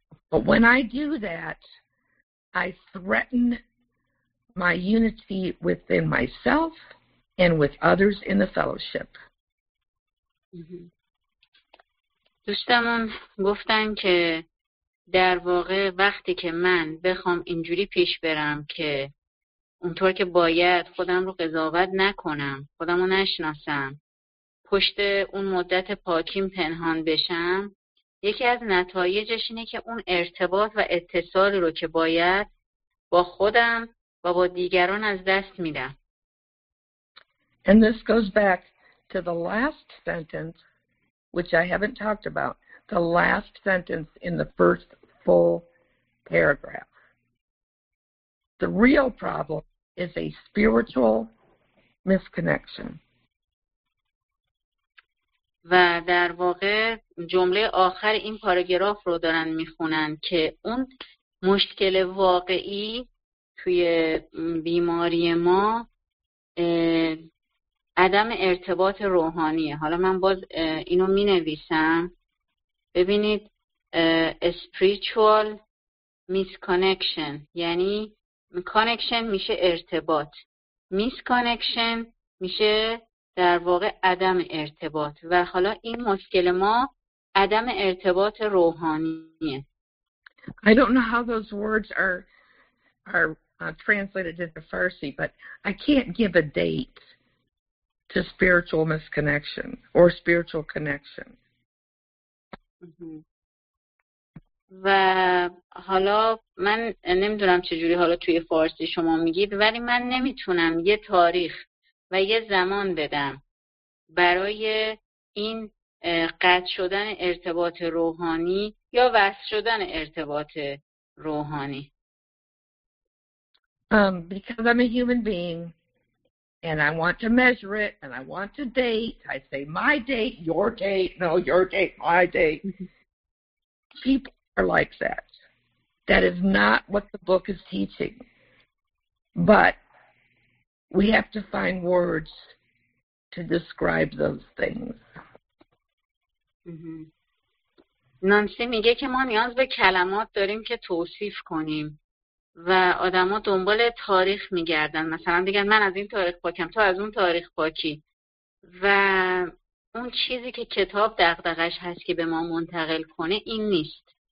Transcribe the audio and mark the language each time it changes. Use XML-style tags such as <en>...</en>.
<en>But when I do that, I threaten my unity within myself and with others in the fellowship.</en> <fa>دوستمون گفتن که در واقع وقتی که من بخوام اینجوری پیش برم که اونطور که باید خودم رو قضاوت نکنم، خودم رو نشناسم، پشت اون مدت پاکیم پنهان بشم، یکی از نتایجش اینه که اون ارتباط و اتصال رو که باید با خودم و با دیگران از دست میدم.</fa> <en>And this goes back to the last sentence, which I haven't talked about, the last sentence in the first full paragraph. The real problem is a spiritual misconnection.</en> <fa>و در واقع جمله آخر این پاراگراف رو دارن میخونن که اون مشکل واقعی توی بیماری ما عدم ارتباط روحانیه. حالا من باز اینو مینویسم. ببینید spiritual misconnection یعنی کانکشن میشه ارتباط، میس کانکشن میشه در واقع عدم ارتباط، و حالا این مشکل ما عدم ارتباط روحانیه.</fa> <en>I don't know how those words are translated into Farsi, but I can't give a date to spiritual misconnection or spiritual connection.</en> <fa>و حالا من نمیدونم چجوری حالا توی فارسی شما میگید، ولی من نمیتونم یه تاریخ و یه زمان بدم برای این قطع شدن ارتباط روحانی یا وصل شدن ارتباط روحانی.</fa> <en>Because I'm a human being and I want to measure it and I want to date. I say my date, your date, no your date, my date. People are like that. That is not what the book is teaching. But we have to find words to describe those things.</en> <fa>نانسی میگه که ما نیاز به کلمات داریم که توصیف کنیم و آدما دنبال تاریخ میگردن، مثلا میگن من از این تاریخ پاکم، تو از اون تاریخ پاکی، و اون چیزی که کتاب دغدغش هست که به ما منتقل کنه این نیست.</fa>